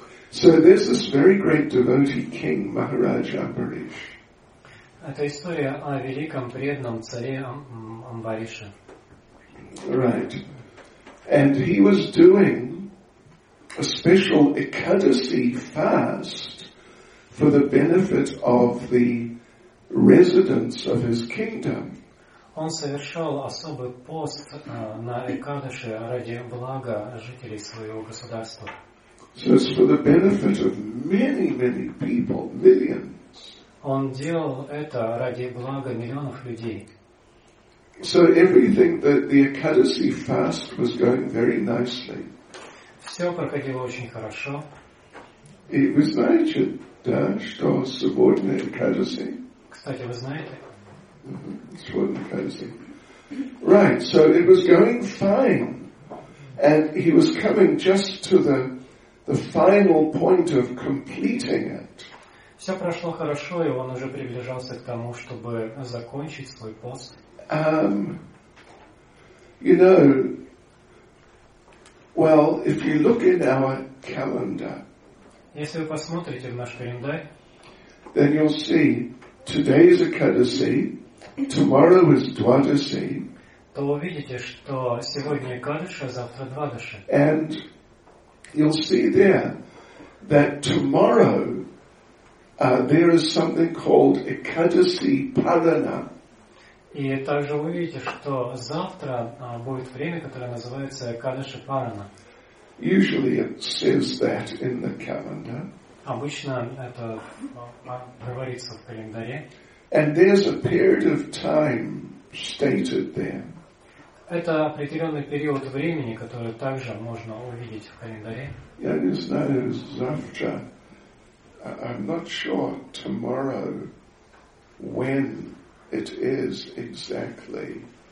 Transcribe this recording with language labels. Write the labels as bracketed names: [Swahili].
[English] So there's this very great devotee king, Maharaj Ambarish. [Russian] Это история о великом преданном царе Амбарише. [English] Right. And he was doing a special Ekadasi fast for the benefit of the residents of his kingdom. [Russian] Он совершал особый пост на Экадаши ради блага жителей своего государства. [English] So it's for the benefit of many, many people, millions. [Russian] Он делал это ради блага миллионов людей. [English] So everything that the Ekadasi fast was going very nicely. [Russian] Все проходило очень хорошо. И вы знаете, да, что субботний Экадаси? Кстати, вы знаете? Субботний Экадаси. [English] Right, so it was going fine. And he was coming just to the final point of completing it. [Russian] Все прошло хорошо, и он уже приближался к тому, чтобы закончить свой пост. [English] You know, well, if you look in our calendar, [Russian] если вы посмотрите в наш календарь, [English] then you'll see today is Ekadasi, tomorrow is Dwadasi, [Russian] то увидите, что сегодня Экадаши, а завтра Двадаши. [English] And you'll see there that tomorrow there is something called Ekadasi Palana. [Russian] И также вы видите, что завтра будет время, которое называется Экадаши Парана. [English] Usually it says that in the calendar. [Russian] Обычно это говорится в календаре. [English] And there's a period of time stated there. [Russian] Это определенный период времени, который также можно увидеть в календаре. Я не знаю, завтра. [English] I'm not sure tomorrow when it is exactly.